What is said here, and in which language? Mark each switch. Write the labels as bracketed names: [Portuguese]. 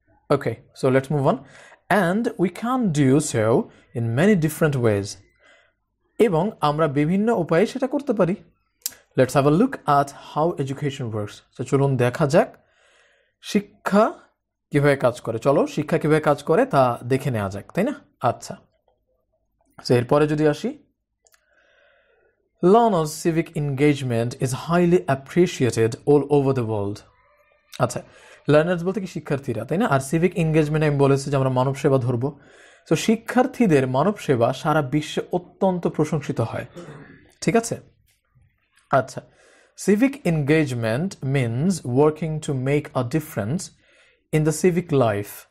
[English] Okay, so let's move on. And we can do so in many different ways, [Bangla] এবং আমরা বিভিন্ন উপায়ে সেটা করতে পারি। [English] Let's have a look at how education works. [Bangla] So চলুন দেখা যাক শিক্ষা কীভাবে কাজ করে, চলো শিক্ষা কীভাবে কাজ করে তা দেখে নেওয়া যাক, তাই না? আচ্ছা, সো এরপরে যদি আসি, [English] Learners' civic engagement is highly appreciated all over the world. [Bangla] আচ্ছা, লার্নার্স বলতে কি শিক্ষার্থীরা, তাই না? আর সিভিক এনগেজমেন্ট আমি বলেছি যে আমরা মানব সেবা ধরব। সো শিক্ষার্থীদের মানব সেবা সারা বিশ্বে অত্যন্ত প্রশংসিত হয়, ঠিক আছে? [English] আচ্ছা, civic engagement means working to make a difference in the civic life.